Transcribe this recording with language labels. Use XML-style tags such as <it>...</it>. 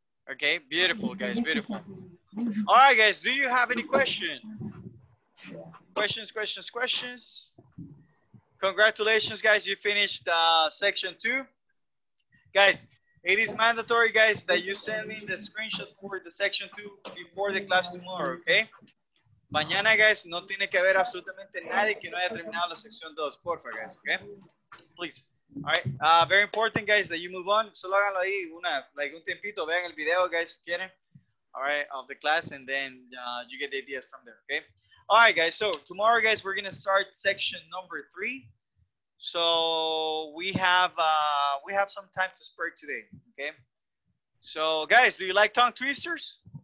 <en>Okay, beautiful, guys, beautiful. All right, guys, do you have any questions? Questions. Congratulations, guys, you finished section two. Guys, it is mandatory, guys, that you send me the screenshot for the section two before the class tomorrow, okay?</en> <es>Mañana, guys, no tiene que haber absolutamente nadie que no haya terminado la sección dos, por favor, guys, okay?</es> <en>Please. All right, very important, guys, that you move on.</en> <es>Solo háganlo ahí, un tiempito, vean el video, guys, si quieren.</es> <en>All right, of the class, and then you get the ideas from there, okay? All right, guys, so tomorrow, guys, we're going to start section number three. So we have some time to spare today, okay? So, guys, do you like tongue twisters?</en>